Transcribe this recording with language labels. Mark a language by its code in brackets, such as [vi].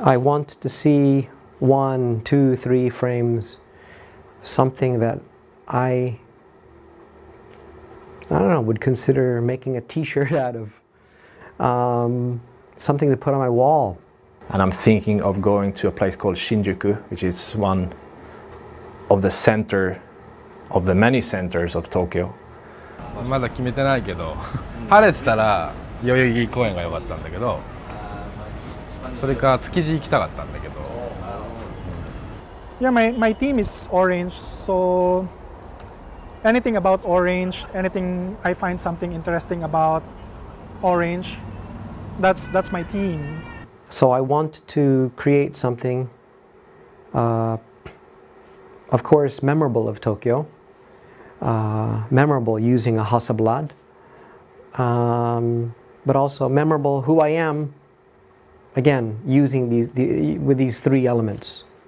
[en] I want to see one, two, three frames, something that I don't know, would consider making a t-shirt out of, something to put on my wall. And I'm thinking of going to a place called Shinjuku, which is one of the center, of the many centers of Tokyo. [ja] まだ決めてないけど、晴れてたら代々木公園が良かったんだけど、それか築地行きたかったんだけど。 [en] Yeah, my team is orange, so anything about orange, anything I find something interesting about orange, that's my team. So I want to create something, of course, memorable of Tokyo, memorable using a Hasselblad, but also memorable who I am, again, using with these three elements.